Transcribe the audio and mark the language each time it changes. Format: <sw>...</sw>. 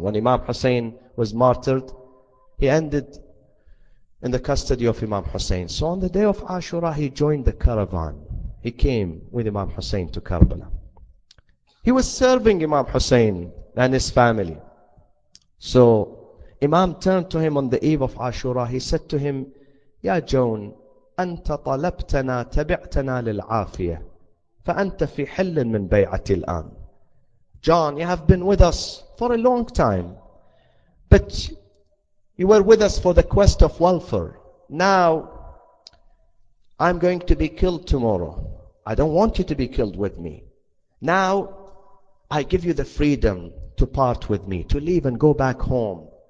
<en>When Imam Hussein was martyred, he ended in the custody of Imam Hussein. So on the day of Ashura, he joined the caravan. He came with Imam Hussein to Karbala. He was serving Imam Hussein and his family. So Imam turned to him on the eve of Ashura. He said to him,</en> <ar>Ya Joan, أنت طلبتنا تبعتنا للعافية فأنت في حل من بيعتي الآن.</ar> <en>John, you have been with us for a long time, but you were with us for the quest of welfare. Now, I'm going to be killed tomorrow. I don't want you to be killed with me. Now, I give you the freedom to part with me, to leave and go back home.</en>